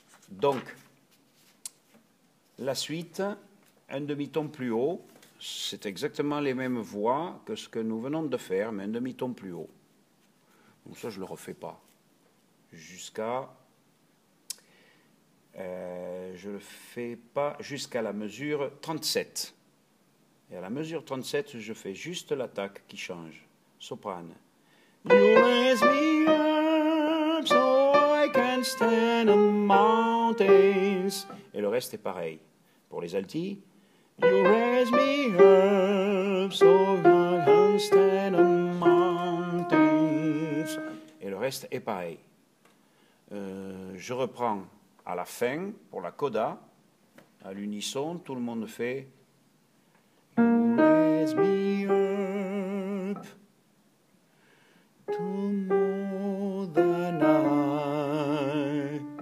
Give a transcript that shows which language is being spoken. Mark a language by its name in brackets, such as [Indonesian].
[French] Donc, la suite, un demi-ton plus haut, c'est exactement les mêmes voix que ce que nous venons de faire, mais un demi-ton plus haut. Donc ça, je ne le refais pas. Jusqu'à, je le fais pas jusqu'à la mesure 37. Et à la mesure 37, je fais juste l'attaque qui change. Soprane. [English] You raise me up so I can stand on mountains. [French] Et le reste est pareil. Pour les alti. [English] You raise me up so I can stand on mountains. [French] Et le reste est pareil. Je reprends à la fin pour la coda, à l'unisson, tout le monde fait. [English] Raise me up to more than I.